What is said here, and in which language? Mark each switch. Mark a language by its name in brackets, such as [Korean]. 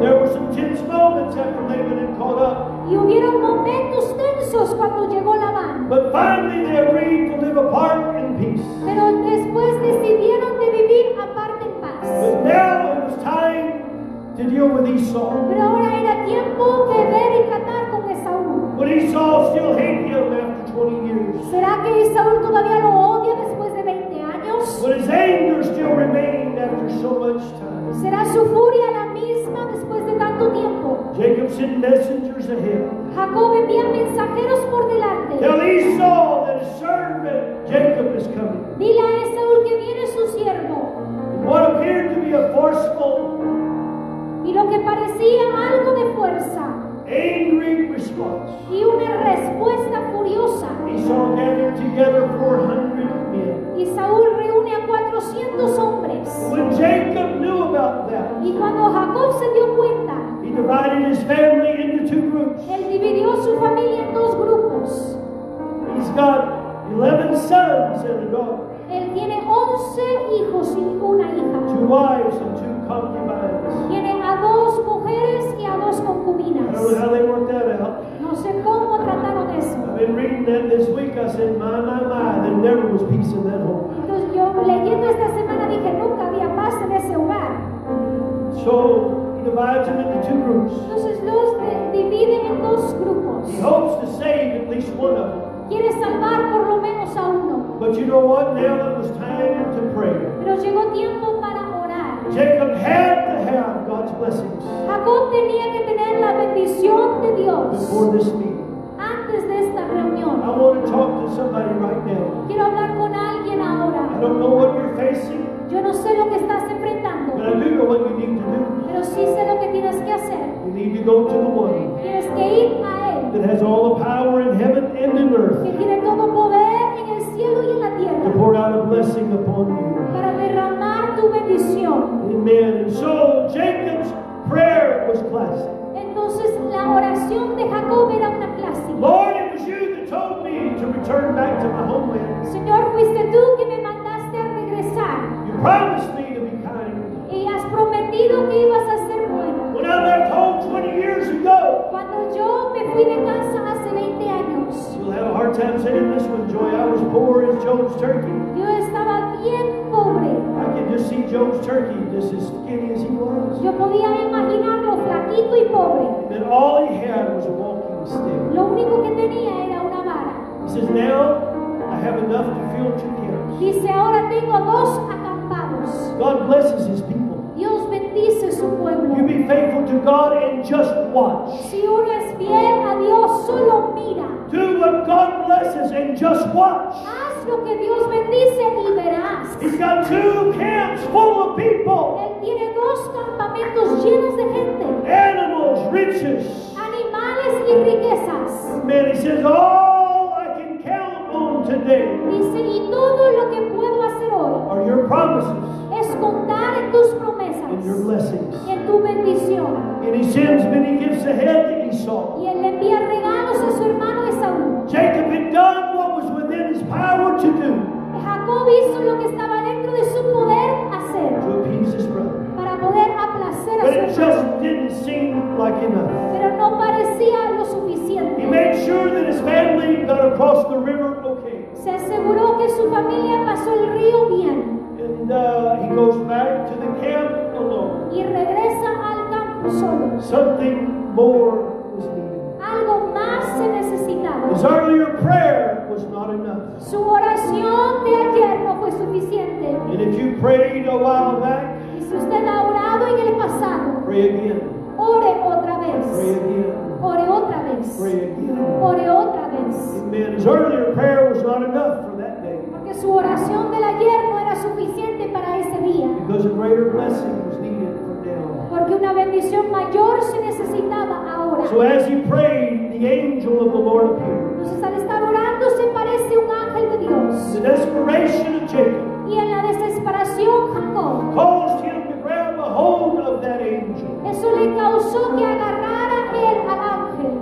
[English] There were some tense moments after Laban had caught up. [Spanish] Y hubieron momentos tensos cuando llegó Labán. [English] But finally they agreed to live apart in peace. [Spanish] Pero después decidieron de vivir aparte en paz. [English] But now it was time to deal with Esau. [Spanish] Pero ahora era tiempo de ver y tratar con Esau. [English] But Esau still hated him after 20 years. [Spanish] ¿Será que Esau todavía lo odia después de 20 años? [English] But his anger still remained after so much time. [Spanish] ¿Será su furia la misma después de tanto tiempo? [English] Jacob sent messengers ahead. [Spanish] Jacob envía mensajeros por delante. [English] Tell Esau that his servant Jacob is coming. [Spanish] Dile a Esau que viene su siervo. [English] What appeared to be a forceful. [Spanish] Y lo que parecía algo de fuerza. [English] Angry response. [Spanish] Y una respuesta furiosa. [English] Esau gathered together 400 men. [Spanish] Y Saúl reúne a 400 hombres. [English] When Jacob knew about that. [Spanish] Y cuando Jacob se dio cuenta. [English] He divided his family into two groups. [Spanish] Él dividió su familia en dos grupos. [English] He's got 11 sons and a daughter. [Spanish] Él tiene 11 hijos y una hija. [English] Two wives and two concubines. [Spanish] Tiene a dos mujeres y a dos concubinas. [English] I don't know how they worked that out. [Spanish] No sé cómo trataron eso. [English] I've been reading that this week. I said, my, my, my, there never was peace in that home. [Spanish] Entonces yo leyendo esta semana dije, nunca había paz en ese hogar. [English] So he divides them into two groups. [Spanish] Entonces los divide en dos grupos. [English] He hopes to save at least one of them. [Spanish] Quiere salvar por lo menos a uno. [English] But you know what? Now it was time to pray. [Spanish] Pero llegó tiempo para orar. [English] Jacob had to have God's blessings. [Spanish] Jacob tenía que tener la bendición de Dios. [English] Before this meeting. [Spanish] Antes de esta reunión. [English] I want to talk to somebody right now. [Spanish] Quiero hablar con alguien ahora. [English] I don't know what you're facing. [Spanish] Yo no sé lo que estás enfrentando. [English] But I do know what you need to do. [Spanish] Pero sí sé lo que tienes que hacer. [English] You need to go to the one. [Spanish] Tienes que ir a él. [English] That has all the power in heaven and in earth. [Spanish] Que tiene todo poder en el cielo y en la tierra. [English] To pour out a blessing upon you. [Spanish] Para derramar tu bendición. [English] Amen. So Jacob's prayer was classic. [Spanish] Entonces la oración de Jacob era una clásica. [English] Lord, it was you that told me to return back to my homeland. [Spanish] Señor, fuiste tú que me mandaste a regresar. [English] You promised me to be kind. [Spanish] Y has prometido que ibas a ser bueno. [English] When I left home 20 years ago. [Spanish] Cuando yo me fui de casa hace 20 años. [English] You'll have a hard time saying this with joy. I was poor as Job's turkey. [Spanish] Yo estaba bien pobre. [English] I could just see Job's turkey just as skinny as he was. [Spanish] Yo podía imaginarlo flaquito y pobre. [English] And all he had was a walking stick. [Spanish] Lo único que tenía era una vara. [English] He says, now I have enough to fill two camps. [Spanish] Dice, ahora tengo dos acampados. [English] God blesses his people. [Spanish] Dios bendice su pueblo. [English] You be faithful to God and just watch. [Spanish] Si uno es fiel a Dios, solo mira. [English] Do what God blesses and just watch. [Spanish] Haz lo que Dios bendice y verás. [English] He's got two camps full of people. [Spanish] Él tiene dos campamentos llenos de gente. [English] Animals, riches. [Spanish] Animales y riquezas. [English] Man, he says, all I can count on today. [Spanish] Dice, y todo lo que puedo hacer hoy. [English] Are your promises. [Spanish] Es contar en tus promesas. [English] In your blessings. [Spanish] En tu bendición. [English] And he sends many gifts ahead to Esau. [Spanish] Y él le envía regalos a su hermano Esau. [English] Jacob had done what was within his power to do. [Spanish] Jacob hizo lo que estaba dentro de su poder hacer. [English] To appease his brother. [Spanish] Para poder aplacer a su hermano. [English] But it just didn't seem like enough. [Spanish] Pero no parecía lo suficiente. [English] He made sure that his family got across the river okay. [Spanish] Se aseguró que su familia pasó el río bien. [English] And he goes back to the camp alone. [Spanish] Y regresa al campo solo. [English] Something more was needed. [Spanish] Algo más se necesitaba. [English] His earlier prayer was not enough. [Spanish] Su oración de ayer no fue suficiente. [English] And if you prayed a while back, [Spanish] y si usted ha orado en el pasado, [English] pray again. [Spanish] Ore otra vez. [English] Pray again. [Spanish] Ore otra vez. [English] Pray again. [Spanish] Ore otra vez. [English] Amen. His earlier prayer was not enough for that day. [Spanish] Porque su oración del ayer no era suficiente para ese día. [English] Because a greater blessing was needed from now. [Spanish] Porque una bendición mayor se necesitaba ahora. [English] So as he prayed, the angel of the Lord appeared. [Spanish] Entonces al estar orando se parece un ángel de Dios. [English] The desperation of Jacob. [Spanish] Y en la desesperación Jacob. [English] Caused him to grab a hold of that angel. [Spanish] Eso le causó que agarrara él al ángel.